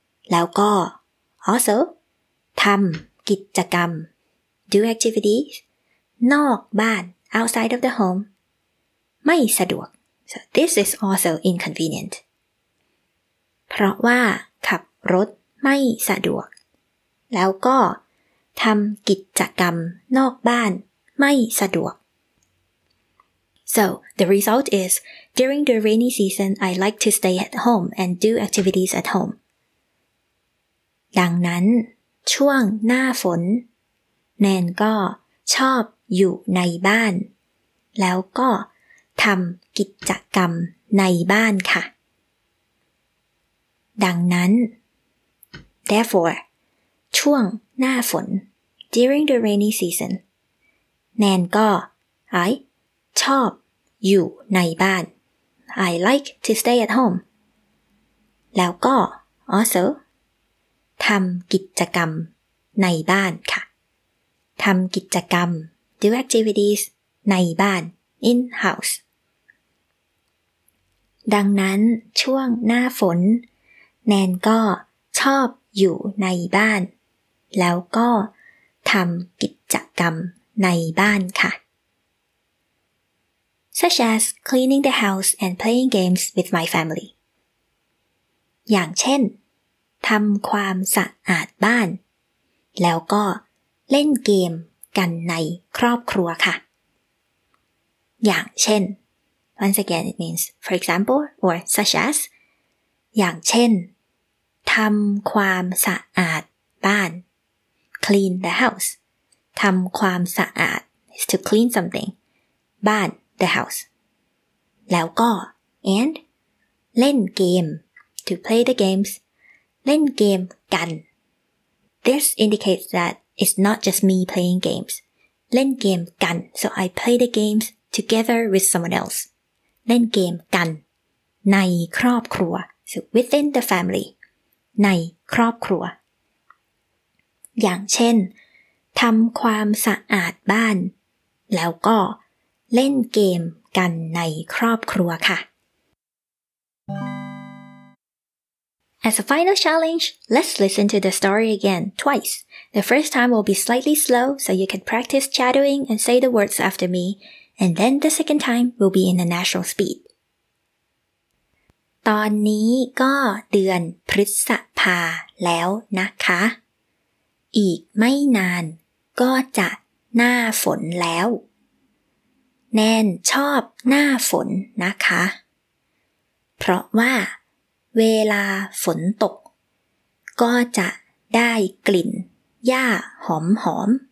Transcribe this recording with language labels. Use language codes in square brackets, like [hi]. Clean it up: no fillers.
[th] แล้วก็ [en] also [th] ทำกิจกรรม [en] Do activities [th] นอกบ้าน [en] outside of the home [th] ไม่สะดวก [en] so this is also inconvenient [th] เพราะว่าขับรถไม่สะดวกแล้วก็ทำกิจกรรมนอกบ้านไม่สะดวก [en] so the result is during the rainy season I like to stay at home and do activities at home [th] ดังนั้นช่วงหน้าฝนแนนก็ชอบอยู่ในบ้านแล้วก็ทำกิจกรรมในบ้านค่ะดังนั้น [en] therefore [th] ช่วงหน้าฝน [en] during the rainy season [th] แนนก็ [en] I [th] ชอบอยู่ในบ้าน [en] I like to stay at home [th] แล้วก็ [en] also [th] ทำกิจกรรมในบ้านค่ะทำกิจกรรม [en] do activities [th] ในบ้าน [en] in house [th] ดังนั้นช่วงหน้าฝนแนนก็ชอบอยู่ในบ้านแล้วก็ทำกิจกรรมในบ้านค่ะ [en] such as cleaning the house and playing games with my family [th] อย่างเช่นทำความสะอาดบ้านแล้วก็เล่นเกมกันในครอบครัวค่ะ อย่างเช่น [en] once again it means for example or such as [th] อย่างเช่นทำความสะอาดบ้าน [en] clean the house [th] ทำความสะอาด [en] is to clean something [th] บ้าน [en] the house [th] แล้วก็ [en] and [th] เล่นเกม [en] to play the games [th] เล่นเกมกัน [en] this indicates thatIt's not just me playing games. [th] เล่นเกมกัน [en] so I play the games together with someone else. [th] เล่นเกมกันในครอบครัว [en] so within the family. [th] ในครอบครัวอย่างเช่นทำความสะอาดบ้านแล้วก็เล่นเกมกันในครอบครัวค่ะ [en] As a final challenge, let's listen to the story again, twice. The first time will be slightly slow, so you can practice shadowing and say the words after me, and then the second time will be in a natural speed. [th] ต อนนี้ก็เดือนพฤษภาแล้วนะคะอีกไม่นานก็จะหน้าฝนแล้วแนนชอบหน้าฝนนะคะเพราะว่าเวลาฝนตกก็จะได้กลิ่นหญ้าหอมหอม